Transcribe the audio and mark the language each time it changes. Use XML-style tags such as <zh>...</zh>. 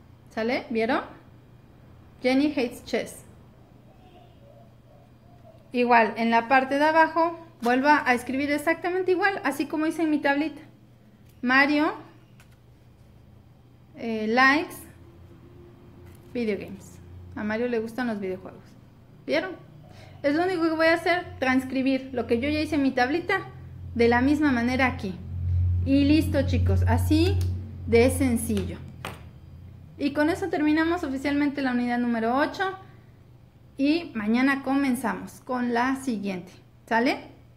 <es>¿Sale? ¿Vieron?</es> <en>Jenny hates chess.</en> <es>Igual, en la parte de abajo, vuelvo a escribir exactamente igual, así como hice en mi tablita.</es> <en>Mario likes video games.</en> <es>A Mario le gustan los videojuegos. ¿Vieron? Es lo único que voy a hacer, transcribir lo que yo ya hice en mi tablita de la misma manera aquí. Y listo, chicos. Así de sencillo. Y con eso terminamos oficialmente la unidad número 8. Y mañana comenzamos con la siguiente. ¿Sale? ¿Sale?</es>